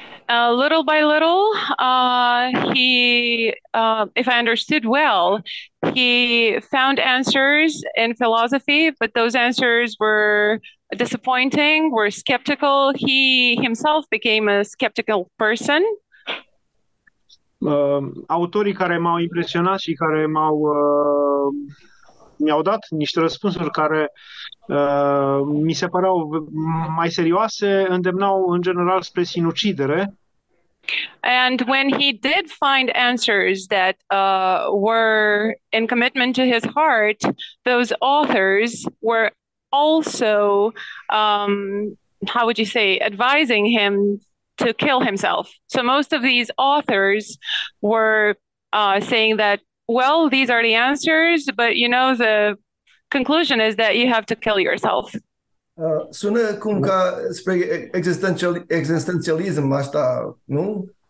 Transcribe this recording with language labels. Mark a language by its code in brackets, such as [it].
[en] Little by little, he, if I understood well, he found answers in philosophy, but those answers were disappointing, were skeptical. He himself became a skeptical person. [ro] Autorii care m-au impresionat și care mi-au dat niște răspunsuri care mi se păreau mai serioase, îndemnau în general spre sinucidere. [en] And when he did find answers that were in commitment to his heart, those authors were also, how would you say, advising him to kill himself. So most of these authors were saying that, well, these are the answers, but you know, the conclusion is that you have to kill yourself. [ro] Sună cum ca spre existențialism asta, nu?